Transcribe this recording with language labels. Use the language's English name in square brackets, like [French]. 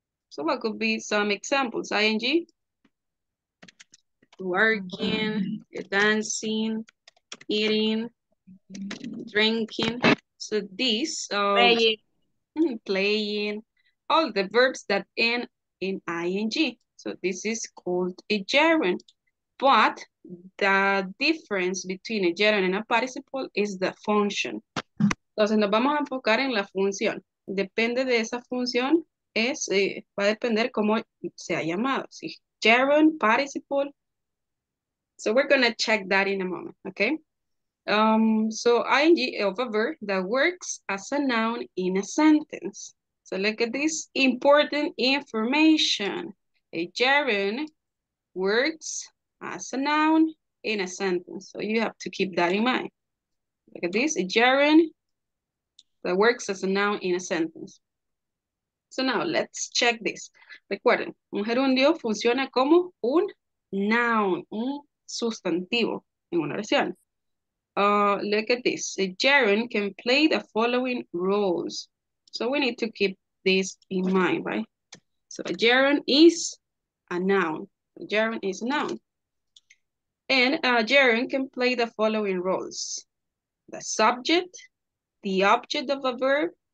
[English] So what could be some examples? Ing, working, dancing, eating, drinking. So this, playing, all the verbs that end in ing. So this is called a gerund. But the difference between a gerund and a participle is the function. [Spanish] Entonces nos vamos a enfocar en la función. Depende de esa función, es, va a depender cómo se ha llamado. ¿Sí? Gerund, participle. [English] So we're going to check that in a moment, okay? So ing of a verb that works as a noun in a sentence. So look at this important information. A gerund works as a noun in a sentence. So you have to keep that in mind. Look at this, a gerund that works as a noun in a sentence. So now let's check this. [Spanish] Recuerden, un gerundio funciona como un noun, un sustantivo en una oración. [English] Look at this, a gerund can play the following roles. So we need to keep this in mind, right? So a gerund is a noun. A gerund is a noun. And a gerund can play the following roles. The subject, the object of a verb.